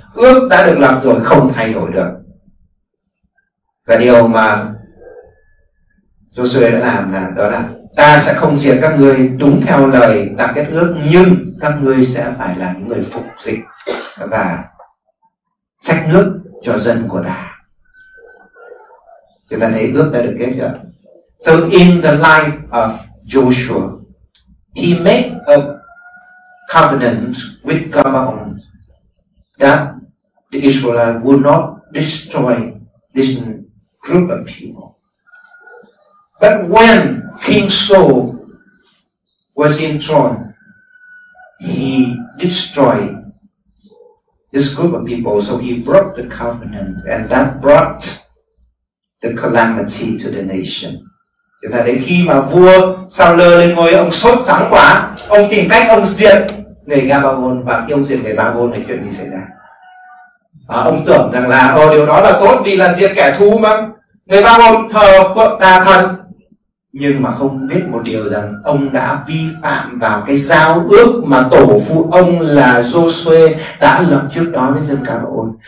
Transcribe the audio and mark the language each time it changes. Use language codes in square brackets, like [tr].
[vi] Ước đã được lập rồi, không thay đổi được. Và điều mà Joshua đã làm là đó là: ta sẽ không diệt các ngươi đúng theo lời ta kết ước, nhưng các ngươi sẽ phải là những người phục dịch và xách nước cho dân của ta. Chúng ta thấy ước đã được kết chưa? [en] So in the life of Joshua, he made a covenant with Gabaon that the Israelites would not destroy this group of people. But when King Saul was in throne, he destroyed this group of people. So he broke the covenant, and that brought the calamity to the nation. [vi] Chúng ta đến khi mà vua Saul lên ngôi, ông sốt sắng quá, ông tìm cách ông diệt người Gabaon, và khi ông diệt người Gabaon thì chuyện gì xảy ra? À, ông tưởng rằng là ô, điều đó là tốt vì là diệt kẻ thù mà người Gabaon thờ phượng tà thần, nhưng mà không biết một điều rằng ông đã vi phạm vào cái giao ước mà tổ phụ ông là Giô-suê đã lập trước đó với dân Gabaon.